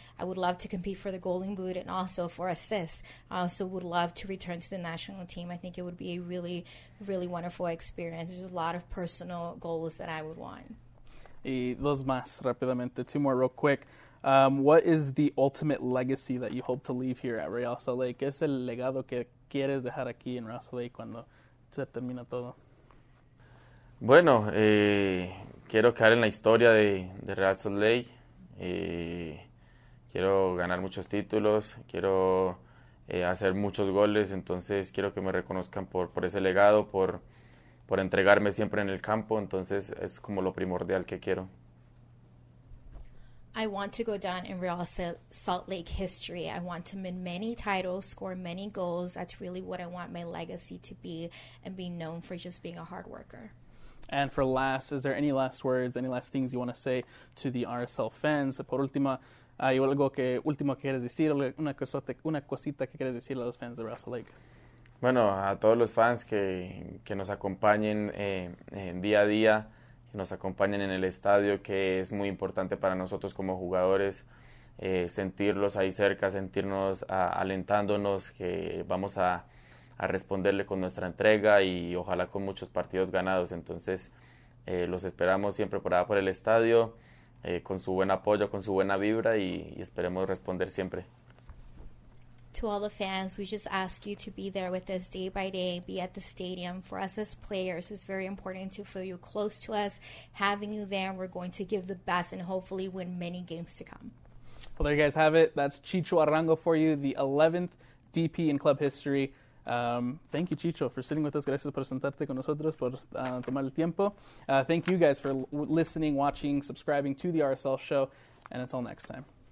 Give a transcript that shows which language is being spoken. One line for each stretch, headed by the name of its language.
English: I would love to compete for the Golden Boot and also for assists. I also would love to return to the national team. I think it would be a really, really wonderful experience. There's a lot of personal goals that I would want.
Spanish: Y dos más rápidamente,
English: two more real quick. What is the ultimate legacy that you hope to leave here at Real Salt Lake?
Spanish: ¿Qué es el legado que quieres dejar aquí en Real Salt Lake cuando se termina todo? Bueno, quiero quedar en la historia de Real Salt Lake. Quiero ganar muchos títulos, quiero hacer muchos goles. Entonces quiero que me reconozcan por ese legado, por entregarme siempre en el campo. Entonces es como lo primordial que quiero.
English: I want to go down in Real Salt Lake history. I want to win many titles, score many goals. That's really what I want my legacy to be, and be known for just being a hard worker. And for last, is there any last words, any last things you want to say to the RSL fans?
Spanish: Por último, ¿hay algo que último quieres decir, una cosita que quieres decir a los fans de Russell Lake? Bueno, a todos los fans que nos acompañen en día a día, que nos acompañen en el estadio, que es muy importante para nosotros como jugadores, sentirlos ahí cerca, sentirnos alentándonos, que vamos a responderle con nuestra entrega y ojalá con muchos partidos ganados. Entonces, los esperamos siempre por el estadio, con su buen apoyo, con su buena vibra, y esperemos responder siempre.
English: To all the fans, we just ask you to be there with us day by day, be at the stadium. For us as players, it's very important to feel you close to us. Having you there, we're going to give the best and hopefully win many games to come. Well, there you guys have it. That's Chicho Arango for you, the 11th DP in club history. Thank you, Chicho, for sitting with us.
Spanish: Gracias por sentarte con nosotros, por tomar el tiempo.
English: Thank you guys for listening, watching, subscribing to the RSL show, and until next time.